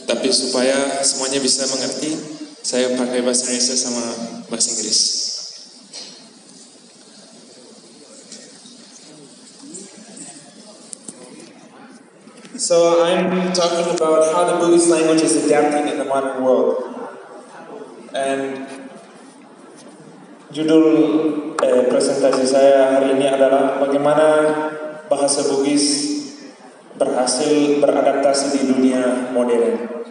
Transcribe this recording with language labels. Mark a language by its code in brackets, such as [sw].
[id] Tapi supaya semuanya bisa mengerti, saya pakai bahasa Indonesia sama bahasa Inggris. [en] So I'm talking about how the Bugis language is adapting in the modern world. [id] And judul presentasi saya hari ini adalah bagaimana bahasa Bugis berhasil beradaptasi di dunia modern.